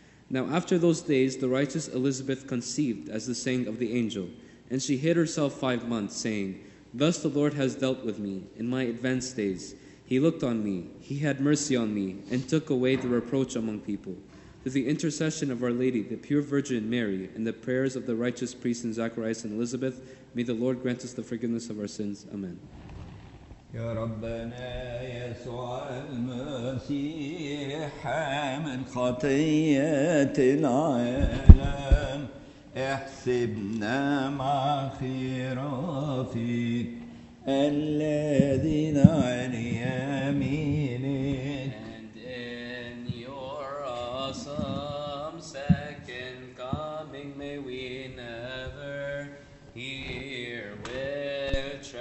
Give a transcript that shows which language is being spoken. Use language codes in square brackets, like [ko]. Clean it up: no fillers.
[en] Now after those days, the righteous Elizabeth conceived, as the saying of the angel, and she hid herself 5 months, saying, "Thus the Lord has dealt with me in my advanced days. He looked on me, he had mercy on me, and took away the reproach among people. Through the intercession of Our Lady, the pure Virgin Mary, and the prayers of the righteous priests in Zacharias and Elizabeth, may the Lord grant us the forgiveness of our sins. Amen." [ar] يا ربنا يسوع المسيح من خطيئة العالم احسبنا مع خيراتك الذين عن يمينك. [en] And in your awesome second coming may we never hear with